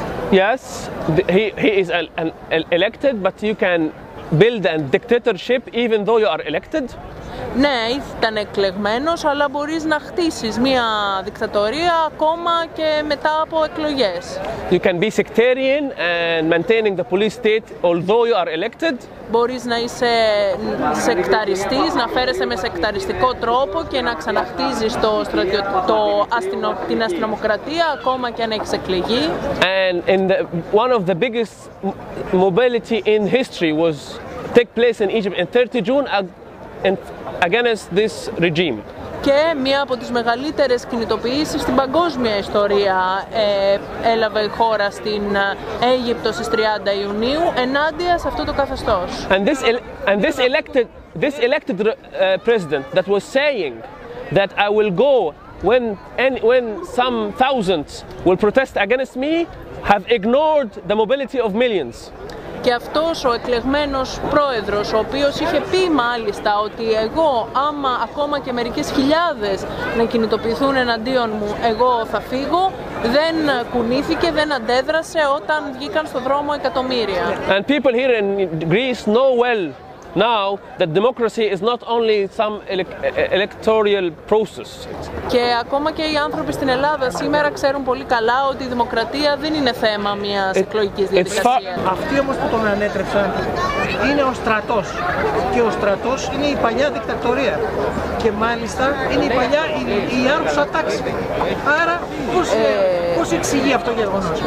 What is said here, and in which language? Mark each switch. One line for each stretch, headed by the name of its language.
English: Yes, he is an elected, but you can build a dictatorship even though you are elected.
Greek: Ναι, ήταν εκλεγμένος, αλλά μπορείς να χτίσεις μια δικτατορία ακόμα και μετά από εκλογές.
English: You can be sectarian and maintaining the police state although you are elected.
Greek: Μπορείς να είσαι σεκταριστής, να φέρεσαι με σεκταριστικό τρόπο και να ξαναχτίζεις το την αστυνομοκρατία ακόμα και αν έχεις εκλεγεί.
English: And in one of the biggest mobility in history was take place in Egypt in 30 June. Against this regime.
Greek: Και μία από τις μεγαλύτερες κινητοποιήσεις στην παγκόσμια ιστορία έλαβε η χώρα στην Αίγυπτο στις 30 Ιουνίου ενάντια σε αυτό το καθεστώς.
English: And this elected president that was saying that I will go when some thousands will protest against me have ignored the mobility of millions.
Greek: Και αυτός ο εκλεγμένος πρόεδρος, ο οποίος είχε πει μάλιστα ότι εγώ, άμα ακόμα και μερικές χιλιάδες να κινητοποιηθούν εναντίον μου, εγώ θα φύγω, δεν κουνήθηκε, δεν αντέδρασε όταν βγήκαν στο δρόμο εκατομμύρια.
English: And people here in Greece know well now that democracy is not only some electoral process.
Greek: Και ακόμα και οι άνθρωποι στην Ελλάδα σήμερα ξέρουν πολύ καλά ότι η δημοκρατία δεν είναι θέμα μιας εκλογικής διαδικασίας. Αυτοί όμως που τον ανέτρεψαν είναι ο στρατός. Και ο στρατός είναι η παλιά δικτατορία. Και μάλιστα είναι η παλιά η άρρωστα τάξη. Άρα πώς εξηγεί αυτό το γεγονός.